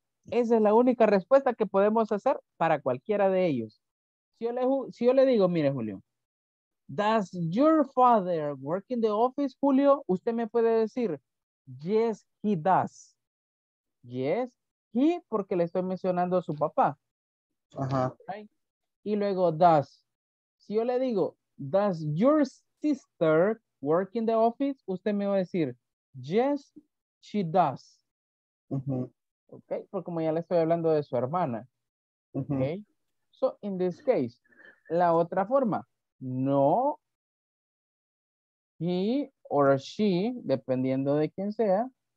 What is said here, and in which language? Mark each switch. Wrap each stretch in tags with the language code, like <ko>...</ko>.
<es>Esa es la única respuesta que podemos hacer para cualquiera de ellos. Si yo le digo, mire, Julio,</es> <en>does your father work in the office, Julio?</en> <es>Usted me puede decir,</es> <en>yes, he does. Yes, he,</en> <es>porque le estoy mencionando a su papá. Ajá.</es> <en>Right?</en> <es>Y luego, does. Si yo le digo,</es> <en>does your sister work in the office?</en> <es>Usted me va a decir,</es> <en>yes, she does. Uh-huh.</en> <es>Ok, porque como ya le estoy hablando de su hermana. Uh-huh. Ok.</es> <en>So, in this case,</en> <es>la otra forma. No,</es> <en>he or she,</en> <es>dependiendo de quién sea.</es>